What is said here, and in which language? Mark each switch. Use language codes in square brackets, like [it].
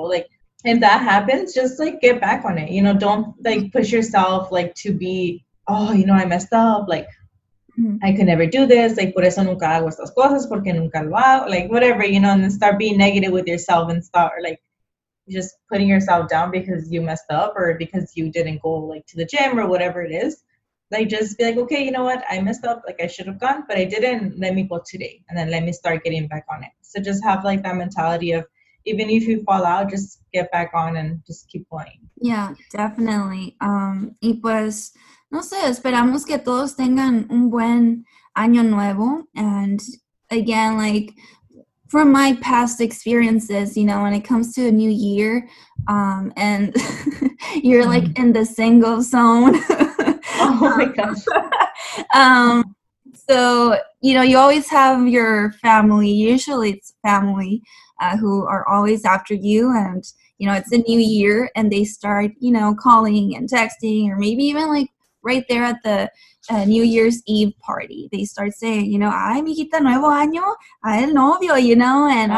[en] Like if that happens, just like get back on it, you know, don't like push yourself like to be, oh, you know, I messed up, like I could never do this, like [es] por eso nunca hago estas cosas porque nunca lo hago, [en] like whatever, you know, and then start being negative with yourself and start like just putting yourself down because you messed up or because you didn't go like to the gym or whatever it is. Like just be like, okay, you know what, I messed up, like I should have gone, but I didn't, let me go today and then let me start getting back on it. So just have like that mentality of even if you fall out, just get back on and just keep going. Yeah, definitely. [es] Y pues no sé, esperamos que todos tengan un buen año nuevo. [en] And again, like from my past experiences, you know, when it comes to a new year, and you're like in the single zone. Oh my gosh. So, you know, you always have your family, usually it's family, who are always after you, and, you know, it's a new year and they start, you know, calling and texting or maybe even like right there at the New Year's Eve party, they start saying, you know, [es] ay, mijita, nuevo año, ay, el novio, [en] you know, and